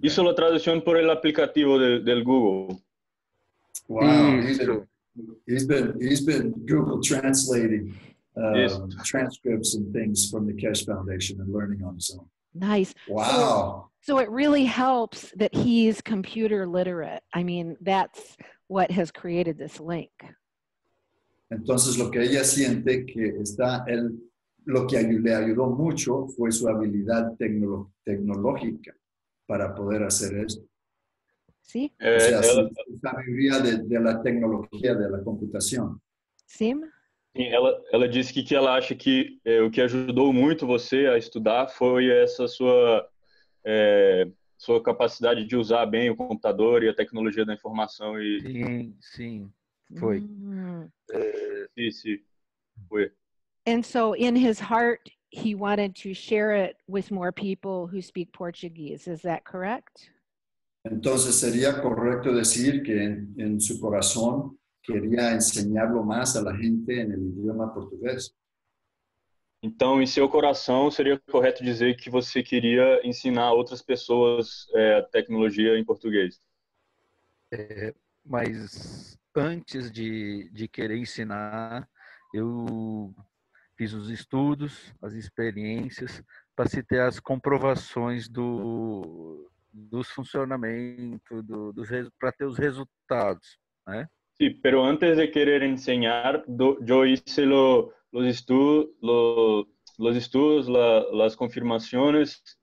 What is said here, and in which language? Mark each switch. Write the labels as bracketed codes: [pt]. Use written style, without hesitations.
[es] Hizo la traducción por el aplicativo del Google. [en] Wow, he's been Google translating transcripts and things from the Keshe Foundation and learning on his own. Nice. Wow. So it really helps that he's computer literate. I mean, that's what has created this link. [es] Entonces lo que ella siente que está el lo que le ayudó mucho fue su habilidad tecnológica para poder hacer esto. Sí. Su sabiduría de la tecnología, de la computación. Sí. [pt] Ela disse que ela acha que o que ajudou muito você a estudar foi essa sua capacidade de usar bem o computador e a tecnologia da informação. E... Sim, foi. Sim, foi. [en] And so in his heart, he wanted to share it with more people who speak Portuguese. Is that correct? [es] Entonces sería correcto decir que en su corazón quería enseñarlo más a la gente en el idioma portugués. [pt] Então, em seu coração, seria correto dizer que você queria ensinar outras pessoas a tecnologia em português. Mas antes de querer ensinar, eu fiz os estudos, as experiências, para se ter as comprovações do funcionamento, para ter os resultados, né? [es] Sim, pero antes de querer enseñar, yo hice los estudos, las confirmaciones